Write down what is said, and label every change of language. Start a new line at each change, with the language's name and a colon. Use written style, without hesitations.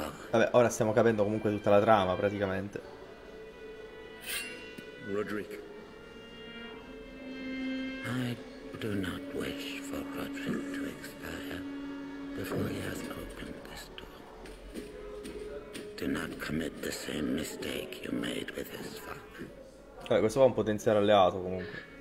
Italian: Vabbè, ora stiamo capendo comunque tutta la trama, praticamente. Roderick.
English: I do not wish for Roderick to expire before he has opened this door. Do not commit the same mistake you made with his father.
Italian: Vabbè, questo qua è un potenziale alleato comunque.